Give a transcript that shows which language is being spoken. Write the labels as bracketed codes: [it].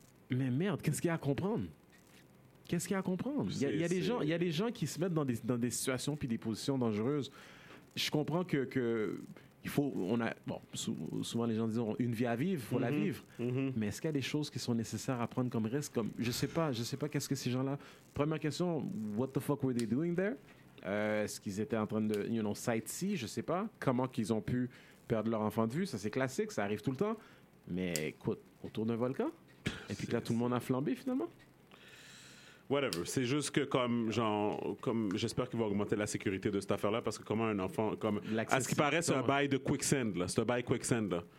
[fr] Mais merde, qu'est-ce qu'il y a à comprendre? Qu'est-ce qu'il y a à comprendre? Il y a des gens qui se mettent dans des situations puis des positions dangereuses. Je comprends que il faut, on a, bon, souvent les gens disent une vie à vivre, il faut la vivre. Mm-hmm. Mais est-ce qu'il y a des choses qui sont nécessaires à prendre comme risque? Comme, je sais pas qu'est-ce que ces gens-là. Première question, [en] what the fuck were they doing there? [fr] Est-ce qu'ils étaient en train de, [en] you know, sightsee? [fr] Je sais pas. Comment qu'ils ont pu perdre leur enfant de vue? Ça, c'est classique, ça arrive tout le temps. Mais écoute, autour d'un volcan? Et puis là, tout le monde a flambé finalement? [en] Whatever. [fr] C'est juste que comme j'espère qu'ils vont augmenter la sécurité de cette affaire-là, parce que comment un enfant comme à ce qui paraît, c'est un bail de quicksand là, c'est un bail quicksand là.